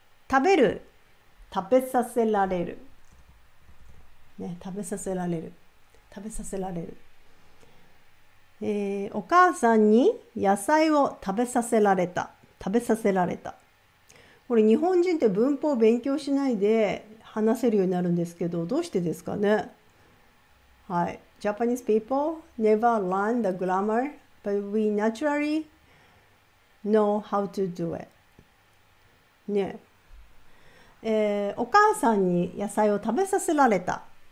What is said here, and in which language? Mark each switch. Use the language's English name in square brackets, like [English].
[Japanese] 食べる、食べさせられる。ね、食べさせられる、食べさせられる。お母さんに野菜を食べさせられた、食べさせられた。これ日本人って文法を勉強しないで話せるようになるんですけど、どうしてですかね。 [English] はい、Japanese people never learn the grammar, but we naturally know how to do it. [Japanese] ね、お母さんに野菜を食べさせられた。